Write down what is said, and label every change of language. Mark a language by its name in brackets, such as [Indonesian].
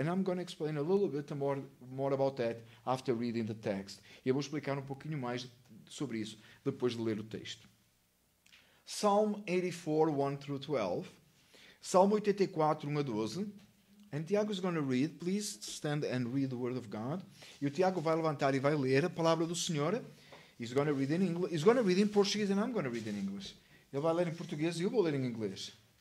[English] And I'm going to explain a little bit more about that after reading the text. [Portuguese] E eu vou explicar um pouquinho mais sobre isso depois de ler o texto. [English] Psalm 84, 1 through 12. Psalm 84, 1 a 12. And Tiago is going to read. Please stand and read the word of God. [Portuguese] E o Tiago vai levantar e vai ler a palavra do Senhor. [English] He's going to read in English. He's going to read in Portuguese and I'm going to read in English. [Portuguese] Ele vai ler em português e eu vou ler em inglês.